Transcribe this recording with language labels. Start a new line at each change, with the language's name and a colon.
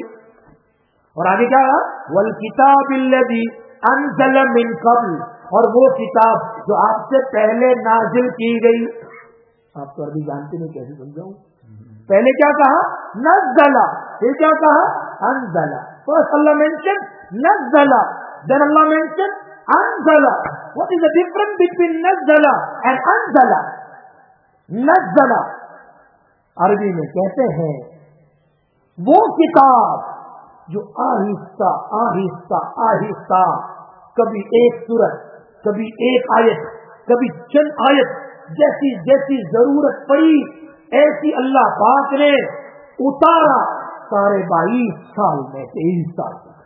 Urdu: اور آگے کیا ہے؟
Arabic: والکتاب الذی انزل من قبل،
Urdu: اور وہ کتاب جو آپ سے پہلے نازل کی گئی. آپ تو عربی جانتے نہیں، کیسے سمجھاؤں؟ پہلے کیا کہا؟ نزل. پھر کیا کہا؟ انزل. تو اللہ مینشن نزل، دین اللہ مینشن انزل.
English: What is the difference between nazzala and anzala?
Urdu: Nazzala, عربی میں کہتے ہیں وہ کتاب جو آہستہ آہستہ آہستہ، کبھی ایک سورت، کبھی ایک آیت، کبھی چند آیت، جیسی جیسی ضرورت پڑی ایسی اللہ پاک نے اتارا 22.5 سال میں، 23 سال تک.